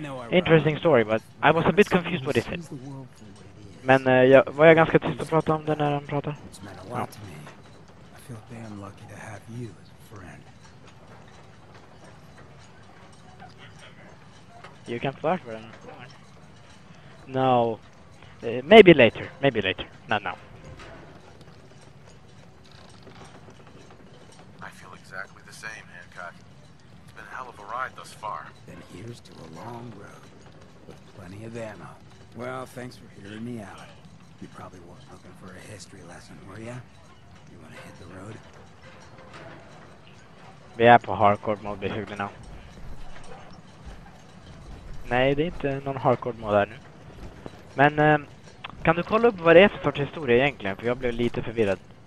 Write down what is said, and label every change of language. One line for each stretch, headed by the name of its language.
English: Interesting story, but I was a bit confused what he said.
Swedish: Men var jag ganska tyst att prata om det när han pratade?
English: I feel damn lucky to have you. You can flirt with him. No. Maybe later. Maybe later. Not now. I feel exactly the same, Hancock. It's been a hell of a ride thus far. Then here's to a long road. With plenty of ammo. Well, thanks for hearing me out. You probably weren't looking for a history lesson, were ya? You wanna hit the road?
Swedish: Vi är på
English: hardcore mode, basically
Swedish: now. Nej, det är inte någon hardcore-mål här nu. Men, kan du kolla upp vad det är för sorts historia egentligen? För jag blev lite förvirrad.